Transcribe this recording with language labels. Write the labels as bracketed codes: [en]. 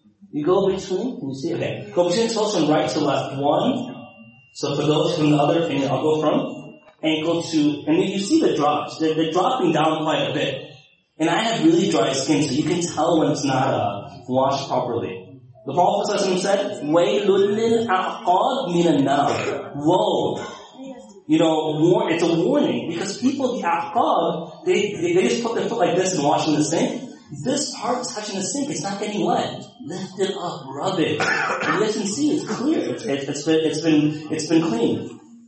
[en] You go between, can you see? Okay. Go between the toes from right to left. One. So for those from the other finger, I'll go from ankle to, and then you see the drops. They're dropping down quite a bit. And I have really dry skin, so you can tell when it's not washed properly. The Prophet said, [ar] وَيْلُلِّ الْأَعْقَابْ مِنَ النَّارِ. [en] Whoa. You know, it's a warning, because people, the aqab, they just put their foot like this and wash in the sink. This part touching the sink, it's not getting wet. Lift it up, rub it. And you guys can see, it's clear. It's been clean.